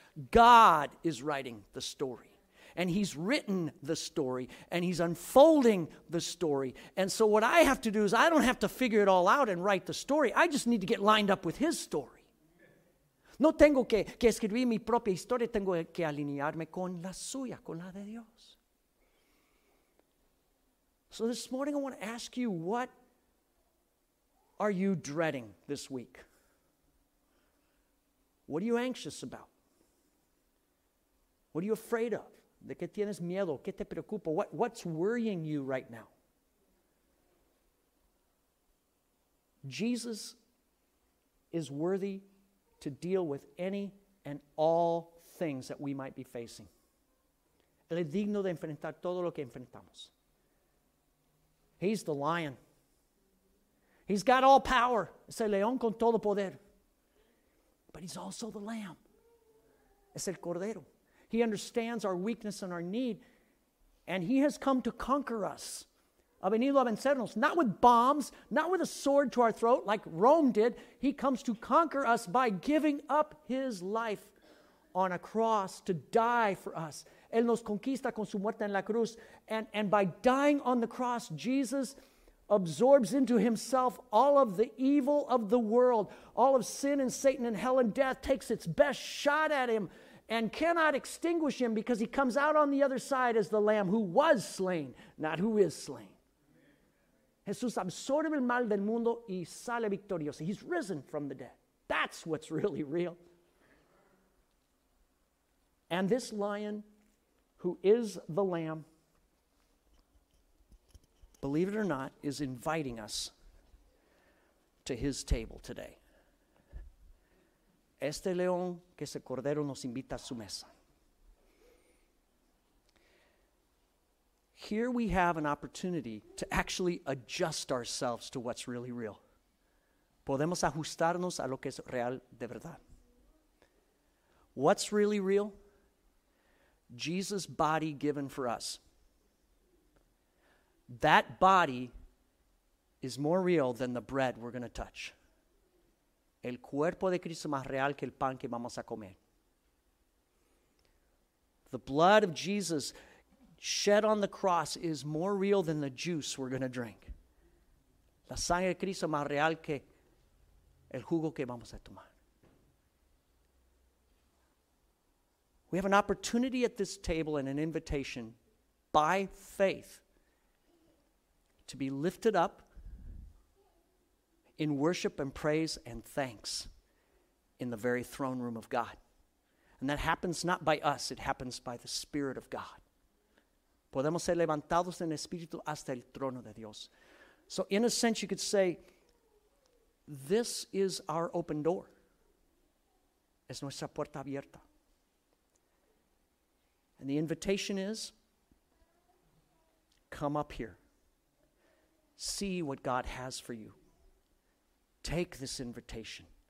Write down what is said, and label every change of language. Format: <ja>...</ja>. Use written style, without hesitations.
<en>God is writing the story. And he's written the story. And he's unfolding the story. And so what I have to do is I don't have to figure it all out and write the story. I just need to get lined up with his story.</en> <es>No tengo que escribir mi propia historia. Tengo que alinearme con la suya, con la de Dios.</es> <en>So this morning I want to ask you, what are you dreading this week? What are you anxious about? What are you afraid of?</en> <es>¿De qué tienes miedo? ¿Qué te preocupa?</es> <en>What's worrying you right now? Jesus is worthy to deal with any and all things that we might be facing.</en> <es>Él es digno de enfrentar todo lo que enfrentamos.</es> <en>He's the lion. He's got all power.</en> <es>Es el león con todo poder.</es> <en>But he's also the lamb.</en> <es>Es el cordero.</es> <en>He understands our weakness and our need. And he has come to conquer us.</en> <es>Ha venido a vencernos.</es> <en>Not with bombs, not with a sword to our throat like Rome did. He comes to conquer us by giving up his life on a cross to die for us.</en> <es>Él nos conquista con su muerte en la cruz.</es> <en>And by dying on the cross, Jesus absorbs into himself all of the evil of the world. All of sin and Satan and hell and death takes its best shot at him and cannot extinguish him because he comes out on the other side as the Lamb who was slain, not who is slain.</en> <es>Jesús absorbe el mal del mundo y sale victorioso.</es> <en>He's risen from the dead. That's what's really real. And this lion, who is the Lamb, believe it or not, is inviting us to his table today.</en> <es>Este león, que es el cordero, nos invita a su mesa.</es> <en>Here we have an opportunity to actually adjust ourselves to what's really real.</en> <es>Podemos ajustarnos a lo que es real de verdad.</es> <en>What's really real? Jesus' body given for us. That body is more real than the bread we're going to touch.</en> <es>El cuerpo de Cristo más real que el pan que vamos a comer.</es> <en>The blood of Jesus shed on the cross is more real than the juice we're going to drink.</en> <es>La sangre de Cristo más real que el jugo que vamos a tomar.</es> <en>We have an opportunity at this table and an invitation by faith to be lifted up in worship and praise and thanks in the very throne room of God. And that happens not by us, it happens by the Spirit of God.</en> <es>Podemos ser levantados en espíritu hasta el trono de Dios.</es> <en>So in a sense you could say, this is our open door.</en> <es>Es nuestra puerta abierta.</es> <en>And the invitation is, come up here. See what God has for you. Take this invitation.</en>